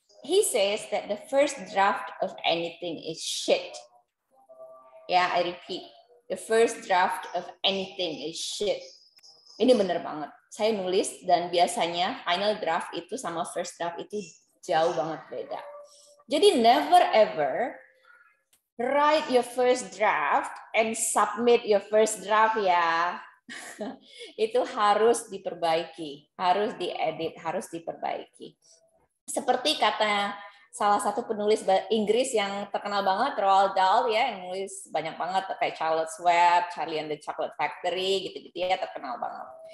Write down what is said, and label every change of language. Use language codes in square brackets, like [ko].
[en] He says that the first draft of anything is shit. Yeah, I repeat, the first draft of anything is shit. [id] Ini benar banget. Saya nulis dan biasanya final draft itu sama first draft itu jauh banget beda. [en] Jadi never ever write your first draft and submit your first draft, ya. [id] itu harus diperbaiki, harus diedit, harus diperbaiki. Seperti kata salah satu penulis Inggris yang terkenal banget, Roald Dahl, ya, yang nulis banyak banget kayak Charlotte's Web, Charlie and the Chocolate Factory, gitu-gitu ya, terkenal banget.